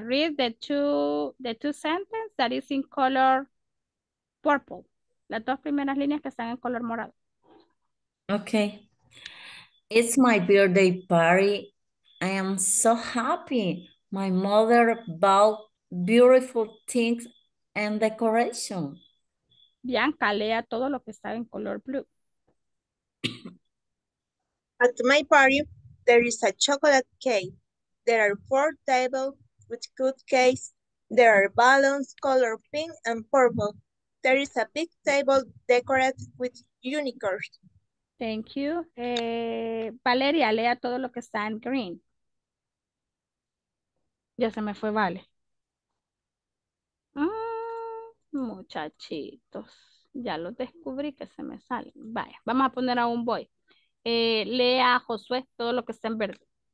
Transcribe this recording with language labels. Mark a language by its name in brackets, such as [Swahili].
[English] Read the two sentences that is in color purple. [Spanish] Las dos primeras líneas que están en color morado. [English] Ok. It's my birthday party. I am so happy. My mother bought beautiful things and decoration. [Spanish] Bianca, lea todo lo que está en color blue. [English] At my party, there is a chocolate cake. There are four tables with cupcakes. There are balloons color pink and purple. There is a big table decorated with unicorns. Thank you. [Spanish] Valeria, lea todo lo que está en green. Ya se me fue, Vale. Muchachitos, ya los descubrí que se me salen. Vaya, vamos a poner a un boy. Lea a Josué todo lo que está en verde.